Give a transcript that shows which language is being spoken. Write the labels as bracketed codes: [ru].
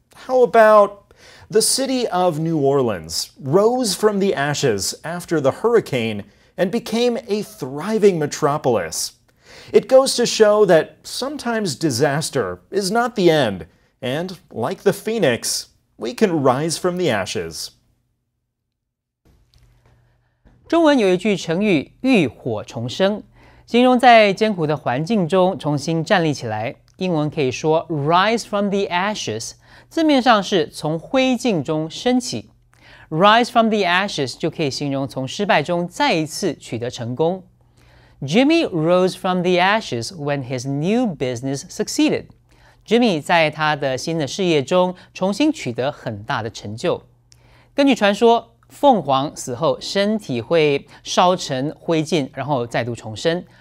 [en] How about, the city of New Orleans rose from the ashes after the hurricane and became a thriving metropolis. It goes to show that sometimes disaster is not the end, and like the phoenix, we can rise from the ashes. [zh] 中文有一句成语"浴火重生"，形容在艰苦的环境中重新站立起来。英文可以说 [en] "rise from the ashes"， [zh] 字面上是从灰烬中升起。 [en] "rise from the ashes" [zh] 就可以形容从失败中再一次取得成功。 [en] Jimmy rose from the ashes when his new business succeeded. [zh] Jimmy 在他的新的事业中重新取得很大的成就。根据传说，凤凰死后身体会烧成灰烬，然后再度重生。